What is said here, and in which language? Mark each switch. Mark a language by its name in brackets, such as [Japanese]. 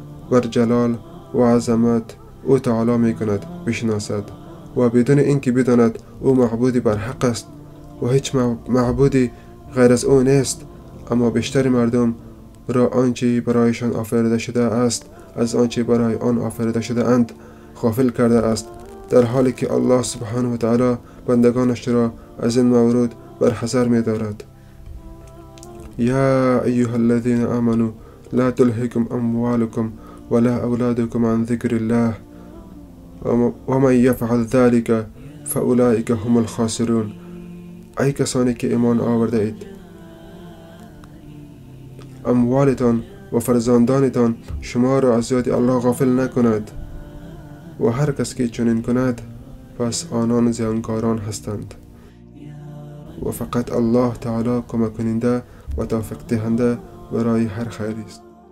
[Persian] بر جلال و عظمت او تعالی می کند بشناسد و بدون اینکه بداند او معبودی بر حق است و هیچ معبودی غیر از او نیست. اما بیشتر مردم را آنچه برایشان آفریده شده است از آنچه برای آن آفریده شده اند غافل کرده است، در حالی که الله سبحانه و تعالی بندگانش را از این مورد بر حذر می دارد. [Arabic] یا ایها الذین آمنوا لا تلهکم اموالکم ولا اولادکم عن ذکر الله ومن يفعل ذلك فأولئك هم الخاسرون. [Persian] ای کسانی که ایمان آورده اید، اموالتان و فرزندانتان شما را از یاد الله غافل نکند و هر کس که چنین کند پس آنان زیانکاران هستند و فقط الله تعالی کمک کننده و توفیق دهنده برای هر خیری است.